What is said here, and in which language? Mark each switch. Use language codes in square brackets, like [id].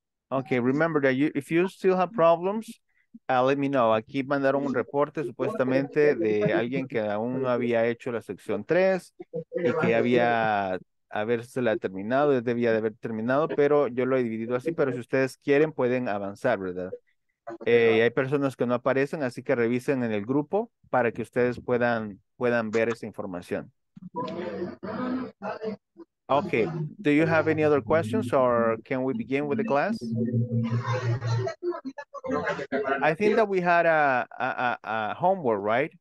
[en] Okay, remember that if you still have problems, let me know. [es] Aquí mandaron un reporte supuestamente de alguien que aún no había hecho la sección 3 y que había habérsela terminado, debía de haber terminado, pero yo lo he dividido así, pero si ustedes quieren pueden avanzar, ¿verdad? Hay personas que no aparecen, así que revisen en el grupo para que ustedes puedan ver esa información. [en] Okay, do you have any other questions or can we begin with the class? I think that we had a homework, right?